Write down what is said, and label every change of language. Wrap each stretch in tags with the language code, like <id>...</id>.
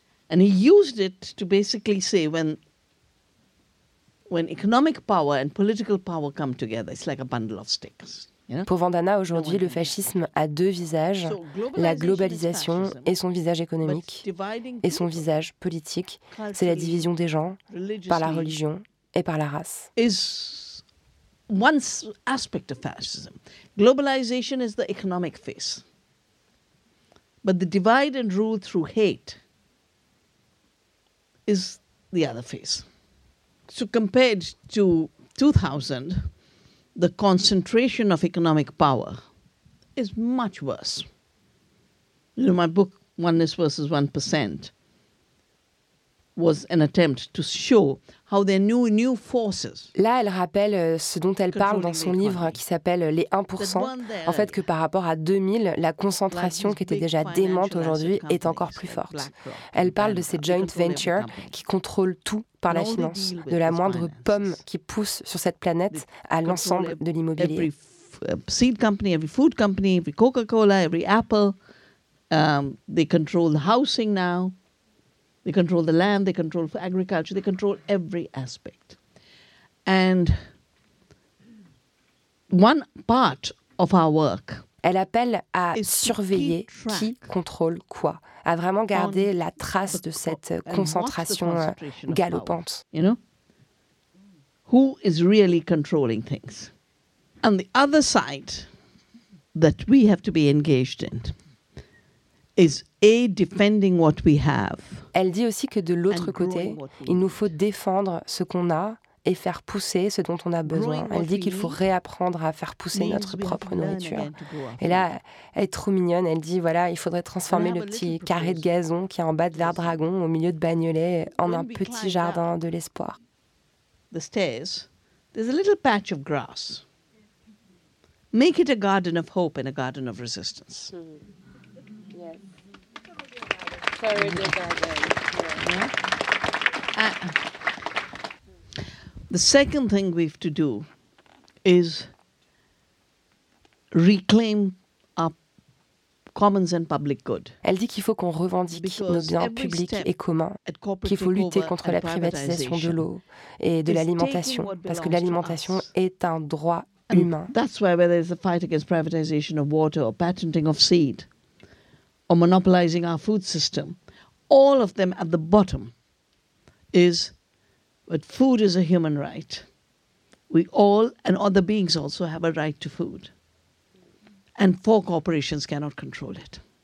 <en>And he used it to basically say when economic power and political power come together, it's like a bundle of sticks.</en> <fr>Pour Vandana, aujourd'hui, le fascisme a deux visages, la globalisation et son visage économique et son visage politique. C'est la division des gens par la religion et par la race.</fr> <en>Is one aspect of fascism. Globalization is the economic face. But the divide and rule through hate is the other face. So compared to 2000, the concentration of economic power is much worse. You know, my book, Oneness versus 1%, was an attempt to show how their new forces.</en> <fr>Là, elle rappelle ce dont elle parle dans son livre qui s'appelle Les 1%. En fait, que par rapport à 2000, la concentration qui était déjà démente aujourd'hui est encore plus forte. Elle parle de ces joint ventures qui contrôlent tout par la finance, de la moindre pomme qui pousse sur cette planète à l'ensemble de l'immobilier.</fr> <en>Every seed company, every food company, every Coca-Cola, every Apple, they control the housing now. They control the land, they control agriculture, they control every aspect. And one part of our work.</en> <fr>Elle appelle à surveiller qui contrôle quoi, à vraiment garder la trace de cette concentration galopante.</fr> <en>You know? Who is really controlling things? And the other side that we have to be engaged in is A, defending what we have.</en> <fr>Elle dit aussi que de l'autre côté, il nous faut défendre ce qu'on a et faire pousser ce dont on a besoin. Elle dit qu'il faut réapprendre à faire pousser notre propre nourriture. Et là, elle est trop mignonne. Elle dit, voilà, il faudrait transformer le petit carré de gazon qui est en bas de Verdragon, au milieu de Bagnolet, en un petit jardin de l'espoir.</fr> <en>The stairs, there's a little patch of grass. Make it a garden of hope and a garden of resistance. Mm. Yes. Very good. The second thing we have to do is reclaim our commons and public good. Elle dit qu'il faut qu'on revendique nos biens publics et communs, qu'il faut lutter contre la privatisation de l'eau et de l'alimentation, parce que l'alimentation est un droit humain. That's why there is a fight against privatization of water or patenting of seed or monopolizing our food system. All of them at the bottom is that food is a human right. We all and other beings also have a right to food. And four corporations cannot control it.</en>